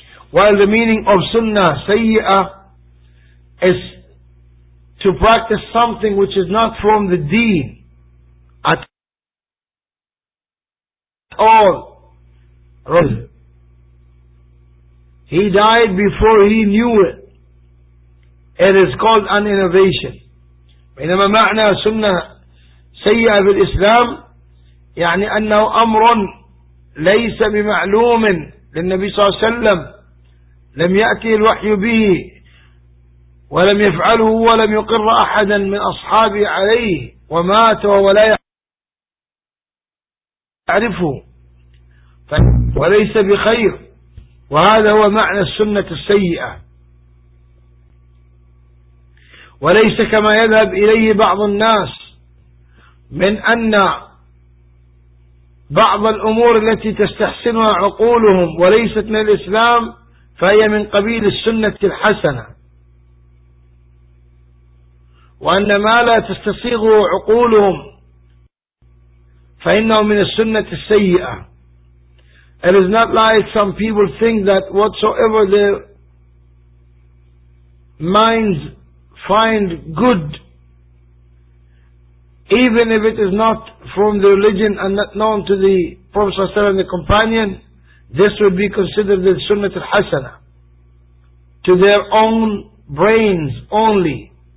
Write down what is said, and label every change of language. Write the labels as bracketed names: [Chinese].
[English] While the meaning of sunnah sayyi'ah is to practice something which is not from the deen at all. He died before he knew it. It is called an innovation. [Arabic] بينما معنى سنة سيئة في الإسلام يعني أنه أمر ليس بمعلوم للنبي صلى الله عليه وسلم، لم يأتي الوحي به ولم يفعله ولم يقر أحدا من أصحابه عليه ومات وهو لا يعرفه، وليس بخير. وهذا هو معنى السنة السيئة، وليس كما يذهب إليه بعض الناس من أن بعض الأمور التي تستحسنها عقولهم وليست من الإسلام فهي من قبيل السنة الحسنة، وأن ما لا تستصيغه عقولهم فإنه من السنة السيئة. [English] It is not like some people think that whatsoever their minds find good, even if it is not from the religion and not known to the Prophet [Arabic] صلى الله عليه وسلم [English] and the companion, this would be considered the Sunnah al-Hasana to their own brains only,